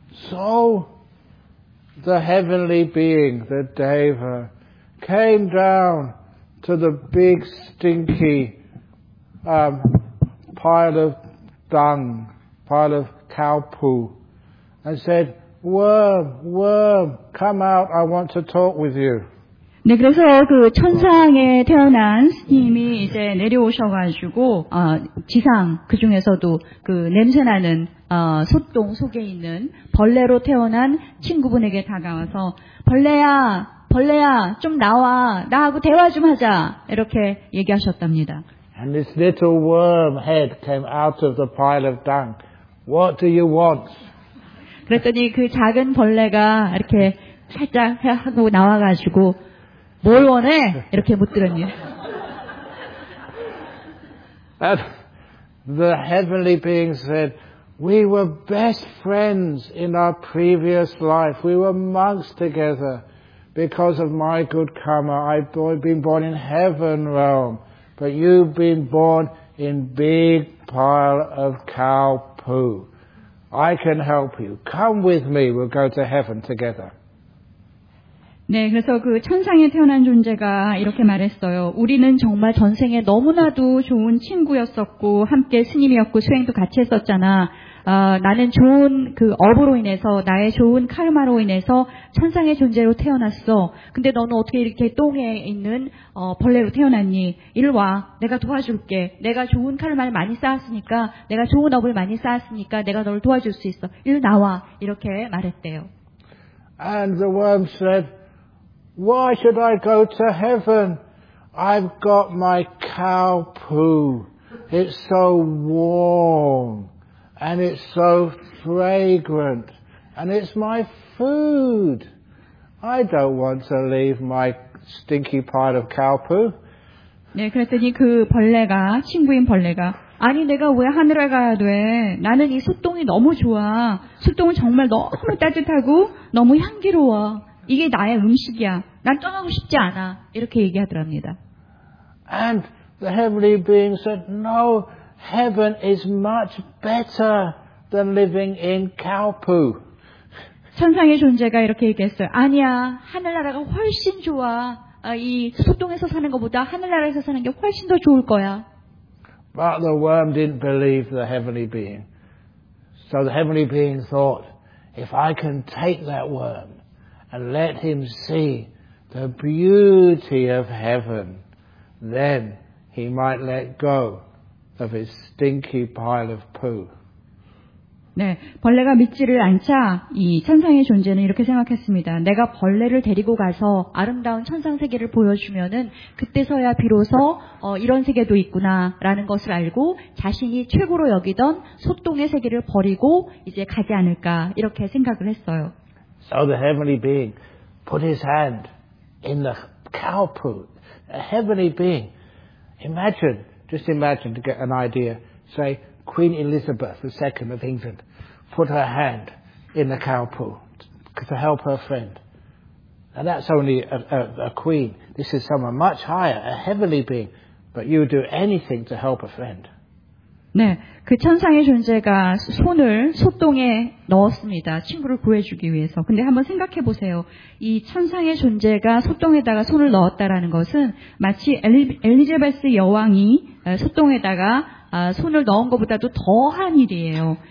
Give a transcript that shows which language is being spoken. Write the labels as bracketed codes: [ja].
[en] So the heavenly being, the Deva, came down to the big stinky pile of dung, pile of cow poo, and said, "Worm, worm, come out, I want to talk with you." [ko] 네, 그래서 그 천상에 태어난 스님이 이제 내려오셔가지고 지상 그 중에서도 그 냄새나는 소똥 속에 있는 벌레로 태어난 친구분에게 다가와서 벌레야, 벌레야, 좀 나와, 나하고 대화 좀 하자 이렇게 얘기하셨답니다. [en] And this little worm head came out of the pile of dung. What do you want? [ko] 그랬더니 그 작은 벌레가 이렇게 살짝 하고 나와가지고 뭘 원해? 이렇게 묻더니. [en] The heavenly being said, "We were best friends in our previous life. We were monks together. Because of my good karma, I've been born in heaven realm. But you've been born in big pile of cow poo. I can help you. Come with me. We'll go to heaven together." [ko] 네, 그래서 그 천상에 태어난 존재가 이렇게 말했어요. 우리는 정말 전생에 너무나도 좋은 친구였었고 함께 스님이었고 수행도 같이 했었잖아. 나는 좋은 그 업으로 인해서 나의 좋은 카르마로 인해서 천상의 존재로 태어났어. 근데 너는 어떻게 이렇게 똥에 있는 벌레로 태어났니? 이리 와. 내가 도와줄게. 내가 좋은 카르마를 많이 쌓았으니까 내가 좋은 업을 많이 쌓았으니까 내가 너를 도와줄 수 있어. 이리 나와. 이렇게 말했대요. [en] And the worm said, "Why should I go to heaven? I've got my cow poo. It's so warm. And it's so fragrant. And it's my food. I don't want to leave my stinky pile of cow poo." [ko] 네, 그랬더니 그 벌레가, 친구인 벌레가, 아니, 내가 왜 하늘에 가야 돼? 나는 이 숯똥이 너무 좋아. 숯똥은 정말 너무 따뜻하고 너무 향기로워. 이게 나의 음식이야. 난 떠나고 싶지 않아. 이렇게 얘기하더랍니다. [en] And the heavenly being said, "No, heaven is much better than living in cow poo." [ko] 천상의 존재가 이렇게 얘기했어요. 아니야, 하늘나라가 훨씬 좋아. 이 숯똥에서 사는 것보다 하늘나라에서 사는 게 훨씬 더 좋을 거야. [en] But the worm didn't believe the heavenly being. So the heavenly being thought, "If I can take that worm and let him see the beauty of heaven, then he might let go of his stinky pile of poo." [ko] 네, 벌레가 믿지를 않자 이 천상의 존재는 이렇게 생각했습니다. 내가 벌레를 데리고 가서 아름다운 천상 세계를 보여주면은 그때서야 비로소 이런 세계도 있구나라는 것을 알고 자신이 최고로 여기던 소똥의 세계를 버리고 이제 가지 않을까 이렇게 생각을 했어요. [en] So the heavenly being put his hand in the cow poo. A heavenly being, imagine, just imagine to get an idea, say Queen Elizabeth II of England put her hand in the cow poo to help her friend. And that's only a queen. This is someone much higher, a heavenly being, but you do anything to help a friend. [ko] 네, 그 천상의 존재가 손을 소똥에 넣었습니다. 친구를 구해주기 위해서. 근데 한번 생각해 보세요. 이 천상의 존재가 소똥에다가 손을 넣었다라는 것은 마치 엘리자베스 여왕이 소똥에다가 손을 넣은 것보다도 더한 일이에요.